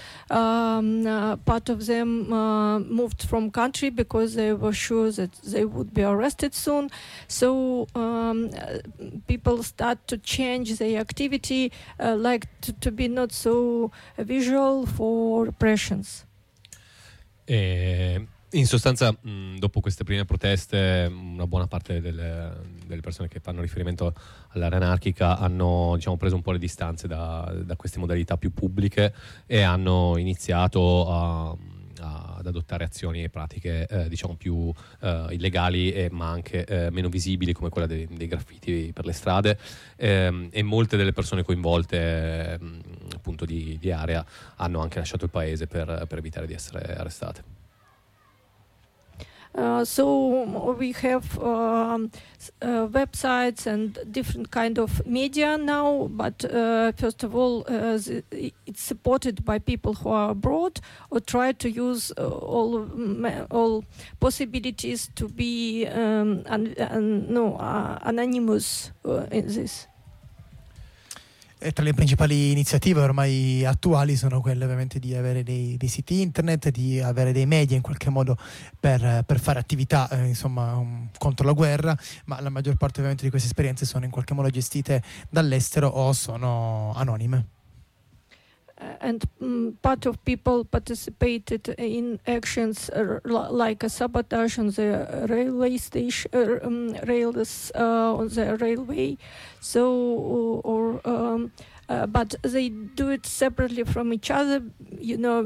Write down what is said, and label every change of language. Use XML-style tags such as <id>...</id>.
<en>part of them moved from country because they were sure that they would be arrested soon, so people start to change the activity, like to be not so visual for repressions.</en> <it>In sostanza, dopo queste prime proteste, una buona parte delle persone che fanno riferimento all'area anarchica hanno, diciamo, preso un po' le distanze da queste modalità più pubbliche e hanno iniziato ad adottare azioni e pratiche diciamo più illegali ma anche meno visibili, come quella dei graffiti per le strade, e molte delle persone coinvolte appunto di area hanno anche lasciato il paese per evitare di essere arrestate.</it> <en>So we have websites and different kind of media now, but first of all, it's supported by people who are abroad or try to use all possibilities to be anonymous in this.</en> <it>E tra le principali iniziative ormai attuali sono quelle ovviamente di avere dei siti internet, di avere dei media in qualche modo per fare attività insomma contro la guerra, ma la maggior parte ovviamente di queste esperienze sono in qualche modo gestite dall'estero o sono anonime.</it> <en>And part of people participated in actions like a sabotage on the railway station, on the railway. So, but they do it separately from each other, you know.</en>